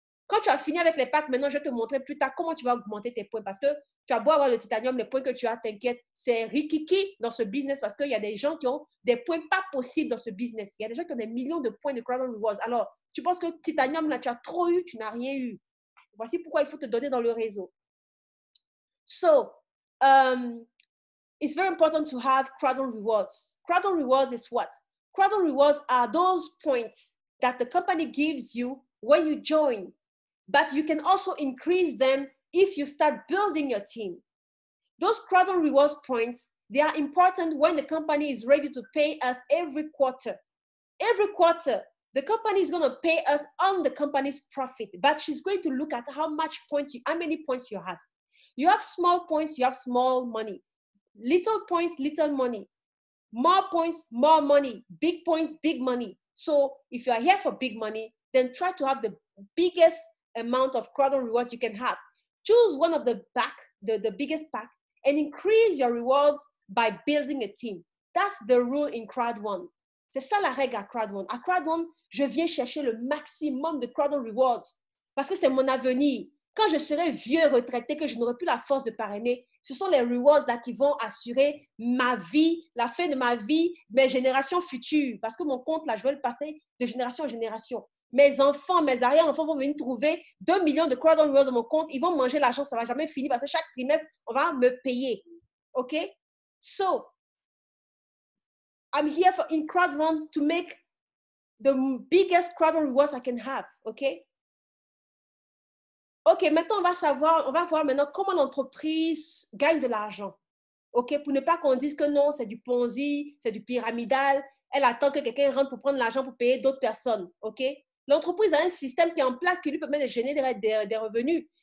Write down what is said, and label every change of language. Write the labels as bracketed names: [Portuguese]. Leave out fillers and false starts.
[French] Quand tu as fini avec les packs, maintenant, je vais te montrer plus tard comment tu vas augmenter tes points. Parce que tu as beau avoir le titanium, les points que tu as, t'inquiète, c'est rikiki dans ce business parce qu'il y a des gens qui ont des points pas possibles dans ce business. Il y a des gens qui ont des millions de points de CrowdOne Rewards. Alors, tu penses que titanium, là, tu as trop eu, tu n'as rien eu. Voici pourquoi il faut te donner dans le réseau. [English] So, it's very important to have CrowdOne Rewards. CrowdOne Rewards is what? CrowdOne Rewards are those points that the company gives you when you join. But you can also increase them if you start building your team. Those CrowdOne Rewards points, they are important when the company is ready to pay us every quarter. Every quarter, the company is going to pay us on the company's profit, but she's going to look at how many points you have. You have small points, you have small money. Little points, little money. More points, more money. Big points, big money. So if you are here for big money, then try to have the biggest amount of CrowdOne rewards you can have. Choose one of the biggest pack and increase your rewards by building a team. That's the rule in Crowd1. [French] C'est ça la règle à Crowd1. À Crowd1, je viens chercher le maximum de Crowd1 rewards parce que c'est mon avenir. Quand je serai vieux, retraité, que je n'aurai plus la force de parrainer, ce sont les rewards là qui vont assurer ma vie, la fin de ma vie, mes générations futures. Parce que mon compte, là, je vais le passer de génération en génération. Mes enfants, mes arrière-enfants vont venir trouver 2 millions de Crowd1 rewards dans mon compte. Ils vont manger l'argent, ça ne va jamais finir parce que chaque trimestre, on va me payer. OK? [English] So, I'm here for in Crowd1 to make the biggest Crowd1 rewards I can have. OK? [French] OK, maintenant, on va voir maintenant comment l'entreprise gagne de l'argent. OK, pour ne pas qu'on dise que non, c'est du Ponzi, c'est du pyramidal. Elle attend que quelqu'un rentre pour prendre l'argent pour payer d'autres personnes. OK? L'entreprise a un système qui est en place qui lui permet de générer des revenus.